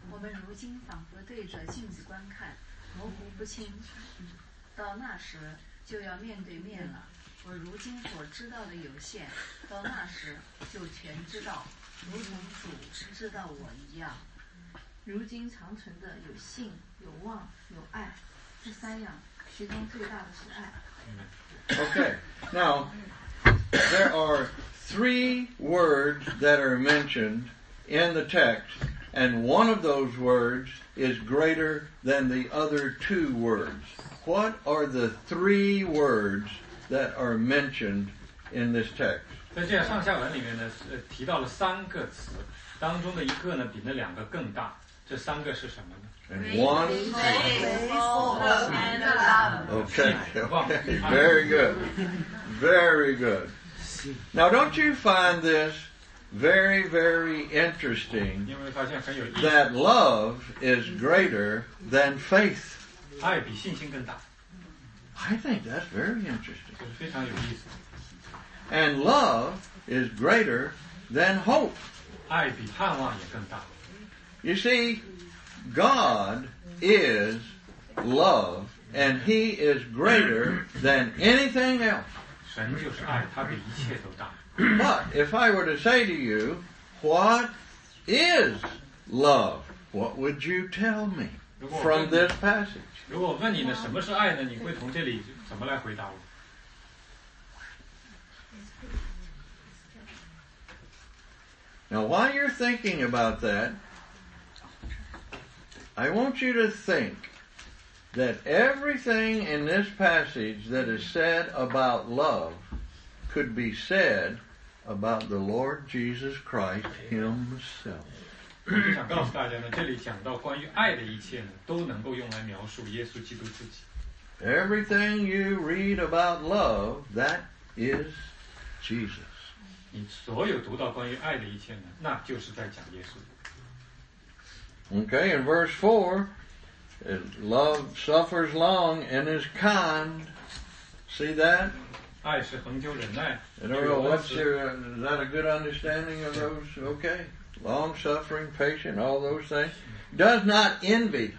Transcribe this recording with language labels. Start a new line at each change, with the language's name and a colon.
Chinese: 我们如今仿佛对着镜子观看，模糊不清，到那时就要面对面了。我如今所知道的有限，到那时就全知道，如同主知道我一样。如今长存的有信、有望、有爱，这三样，其中最大的是爱。
English: Okay, now there are three words that are mentioned in the text, and one of those words is greater than the other two words. What are the three words that are mentioned in this text?
Chinese: 在这样上下文里面呢，提到了三个词，当中的一个呢比那两个更大。这三个是什么呢？
English: And one, faithful, and love. Okay, very good, very good. Now, don't you find this very, very interesting?
Chinese: 因为发现很有意思。
English: That love is greater than faith.
Chinese: 爱比信心更大。
English: I think that's very interesting.
Chinese: 就是非常有意思。
English: And love is greater than hope.
Chinese: 爱比盼望也更大。
English: You see, God is love, and He is greater than anything else.
Chinese: 神就是爱，他比一切都大。
English: But if I were to say to you, what is love? What would you tell me from this passage?
Chinese: 如果我问你呢，什么是爱呢？你会从这里怎么来回答我？
English: Now, while you're thinking about that, I want you to think that everything in this passage that is said about love could be said about the Lord Jesus Christ Himself.
Chinese: 我就想告诉大家呢，这里讲到关于爱的一切呢，都能够用来描述耶稣基督自己。
English: Everything you read about love, that is Jesus.
Chinese: 你所有读到关于爱的一切呢，那就是在讲耶稣。
English: Okay, in verse 4, love suffers long and is kind. See that?
Chinese: 爱是恒久忍耐。
English: I don't know, what's your, is that a good understanding of those? Okay. Long suffering, patient, all those things. Does not envy.